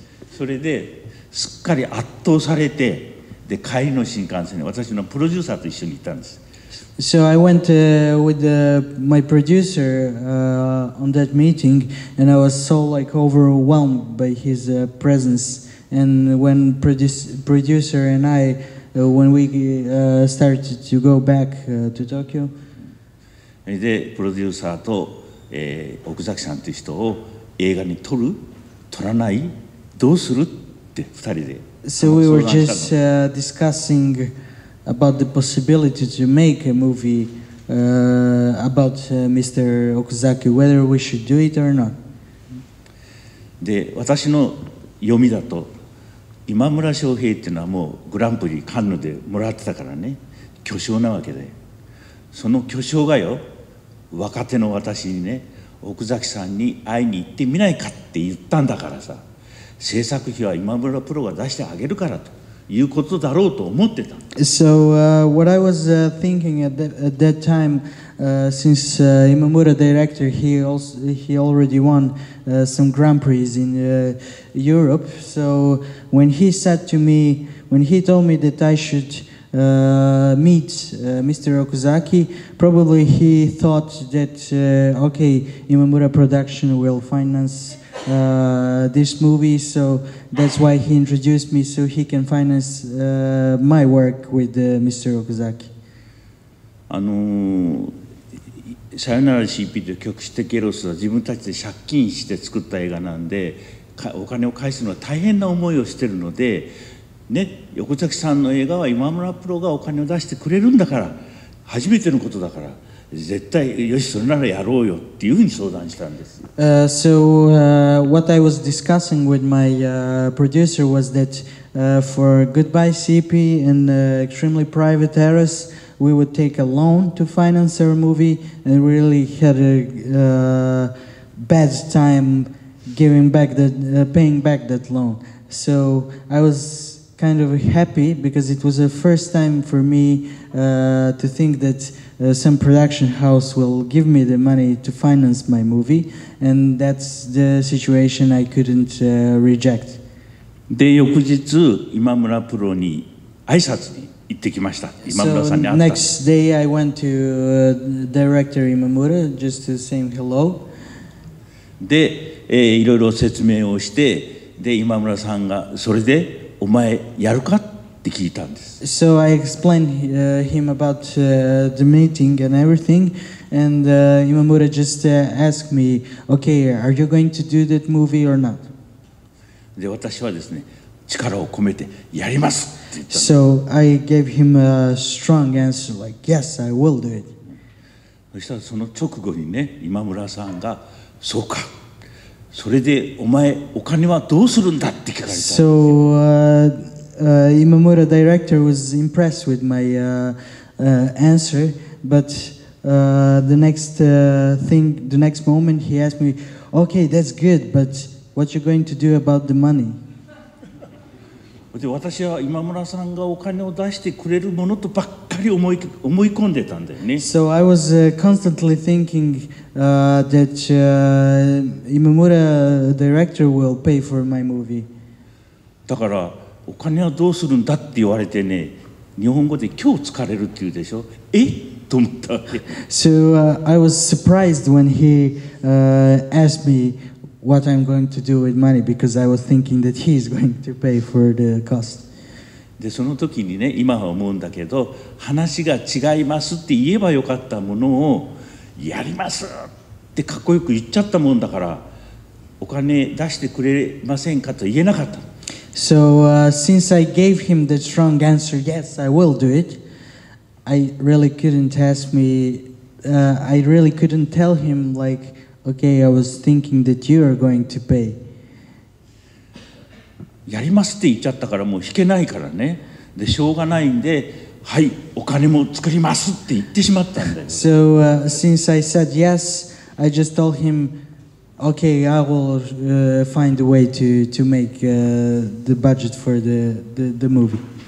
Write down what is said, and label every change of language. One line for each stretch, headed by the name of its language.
Japanese: それですっかり圧倒されてで帰りの新幹線に私のプロデューサーと一緒に行ったんです。
English: So I went with my producer on that meeting and I was so like overwhelmed by his presence and when producer and I when we started to go back to Tokyo.
Japanese: でプロデューサーと奥崎さんという人を映画に撮る撮らないどうするって二人で
English: So we were just discussing about the possibility to make a movie about Mr. Okazaki, whether we should do it or not.
Japanese: で、私の読みだと、今村翔平っていうのはもうグランプリカンヌでもらってたからね、巨匠なわけで、その巨匠がよ、若手の私にね、奥崎さんに会いに行ってみないかって言ったんだからさ、制作費は今村プロが出してあげるからということだろうと思ってた。
English: So, what I was thinking at that time, since Imamura director, he already won some Grand Prix in Europe. So, when he said to me, when he told me that I should meet Mr. Okazaki, probably he thought that, okay, Imamura production will finance this movie, so that's why he introduced me, so he can finance my work with Mr. Okazaki.
Japanese: Sayonara CP という曲してケロスは自分たちで借金して作った映画なんで、お金を返すのは大変な思いをしてるので、ね、横崎さんの映画は今村プロがお金を出してくれるんだから、初めてのことだから。絶対よしそれならやろうよっていうふうに相談したんです。
English: So what I was discussing with my producer was that for Goodbye CP and Extremely Private Heiress, we would take a loan to finance our movie and really had a bad time giving back that paying back that loan. So I was kind of happy because it was the first time for me to think that. Some production house will give me the money to finance my movie, and that's the situation I couldn't reject.
Japanese: で、翌日、今村プロに挨拶に行ってきました。今村さんに会った。
English: So next day I went to director Imamura just to say hello.
Japanese: で、いろいろ説明をして、で、今村さんがそれでお前やるか。
English: So I explained him about the meeting and everything, and Imamura just asked me, "Okay, are you going to do that movie or not?"
Japanese: で、私はですね、力を込めてやりますって言ったんです。
English: So I gave him a strong answer, like, "Yes, I will do it."
Japanese: そしたらその直後にね、今村さんが、そうか。それでお前お金はどうするんだって聞かれたんです。
English: So Imamura director was impressed with my answer, but the next moment he asked me, okay, that's good, but what you're going to do about the money?
Japanese: で、私は今村さんがお金を出してくれるものとばっかり思い込んでたんだよね。
English: So I was constantly thinking that Imamura director will pay for my movie.
Japanese: だからお金はどうするんだって言われてね、日本語で今日疲れるって言うでしょ。え？と思ったわけ。
English: So I was surprised when he asked me what I'm going to do with money because I was thinking that he's going to pay for the cost.
Japanese: で、その時にね、今は思うんだけど、話が違いますって言えばよかったものをやりますってかっこよく言っちゃったもんだから、お金出してくれませんかと言えなかった。
English: So since I gave him the strong answer, yes, I will do it, I really couldn't tell him like, okay, I was thinking that you are going to pay.
Japanese: やりますって言っちゃったからもう引けないからね。で、しょうがないんで、はい、お金も作りますって言ってしまったんだよ。
English: So since I said yes, I just told him,Okay, I will find a way to make the budget for the movie.